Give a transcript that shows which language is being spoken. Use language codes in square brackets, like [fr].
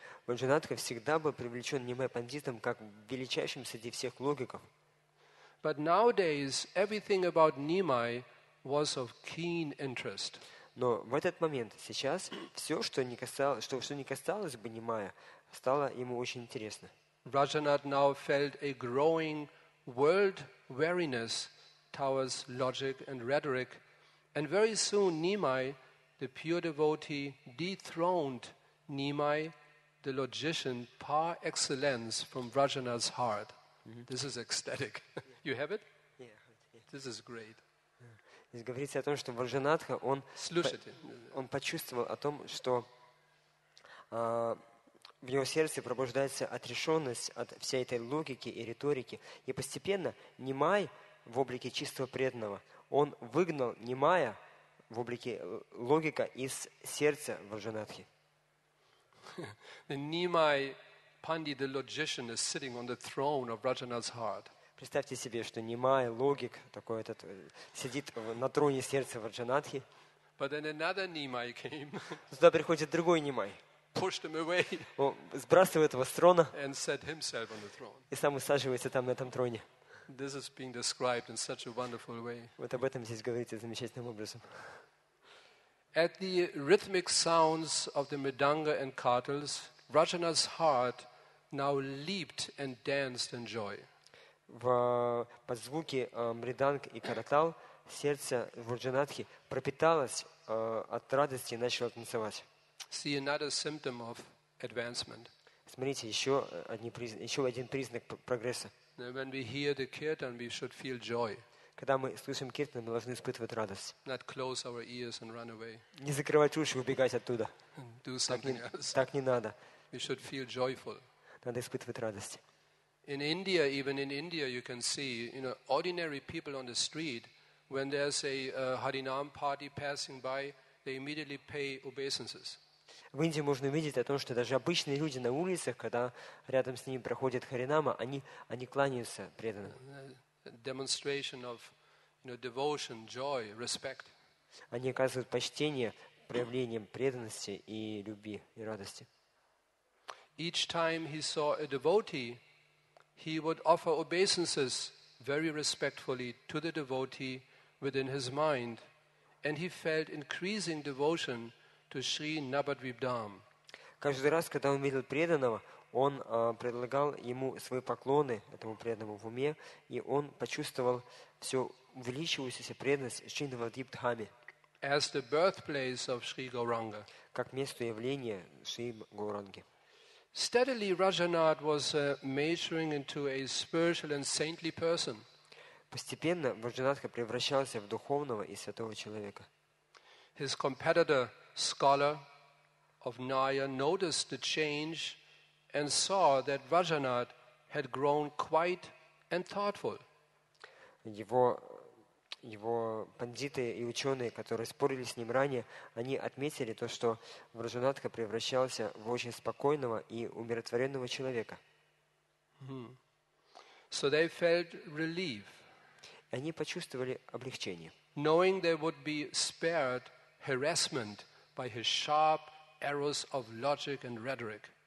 [ru] Раджанадха всегда был привлечен Нимай Пандитом как величайшим среди всех логиков. [en] But nowadays everything about Nimai was of keen interest. [ru] Но в этот момент, сейчас, все, что не касалось бы Нимая, стало ему очень интересно. [en] Rajanad now felt a growing world weariness towards logic and rhetoric. And very soon, Nimai, the pure devotee, dethroned Nimai, the logician, par excellence from Rajanad's heart. Mm-hmm. This is ecstatic. You have it? Yeah. This is great. [ru] Здесь говорится о том, что Варджанатха, он почувствовал о том, что в его сердце пробуждается отрешенность от всей этой логики и риторики. И постепенно Нимай в облике чистого преданного, он выгнал Нимая в облике логика из сердца Варджанатхи. [en] Нимай, Панди, the logician, is sitting on the throne of Rajanath's heart. [ru] Представьте себе, что Нимай, логик, такой этот, сидит на троне сердца Варджанадхи. [en] But then another Nimai came. [ru] Сюда приходит другой Нимай. [en] Pushed him away. [ru] Он сбрасывает его с трона. [en] And set himself on the throne. [ru] И сам усаживается там на этом троне. [en] This is being described in such a wonderful way. [ru] Вот об этом здесь говорится замечательным образом. [en] At the rhythmic sounds of the mridanga and kartals, Rajana's heart now leaped and danced in joy. [ru] Под звуки мриданг и каратал сердце Варджанадхи пропиталось от радости и начало танцевать. [en] See another symptom of advancement. [ru] Смотрите, еще один признак прогресса. [en] When we hear the kirtan, we should feel joy. [ru] Когда мы слышим киртан, мы должны испытывать радость. [en] Not close our ears and run away. [ru] Не закрывать уши и убегать оттуда. [en] Do something else. [ru] Так не надо. [en] We should feel joyful. [ru] Надо испытывать радость. [en] In India, even in India, you can see, you know, ordinary people on the street, when there's a Harinam party passing by, they immediately pay obeisances. [ru] В Индии можно увидеть о том, что даже обычные люди на улицах, когда рядом с ними проходит Харинама, они кланяются преданным. [en] Demonstration of, you know, devotion, joy, respect. [ru] Они оказывают почтение проявлением преданности и любви и радости. [en] Each time he saw a devotee, he would offer obeisances very respectfully to the devotee within his mind, and he felt increasing devotion to Sri Nabadvipdham. [ru] Каждый раз, когда он видел преданного, он предлагал ему свои поклоны этому преданному в уме, и он почувствовал все увеличивающуюся преданность Шри Набадвипдхаме. [en] As the birthplace of Sri Gauranga. [ru] Как место явления Шри Гауранги. [en] Steadily, Rajanad was maturing into a spiritual and saintly person. [ru] Постепенно Раджанадха превращался в духовного и святого человека. [en] His competitor, scholar of Naya, noticed the change and saw that Rajanad had grown quiet and thoughtful. [ru] его пандиты и ученые, которые спорили с ним ранее, они отметили то, что Враджанатха превращался в очень спокойного и умиротворенного человека. [en] So they felt relief. [ru] Они почувствовали облегчение. [en] Knowing they would be spared harassment by his sharp arrows of logic and rhetoric.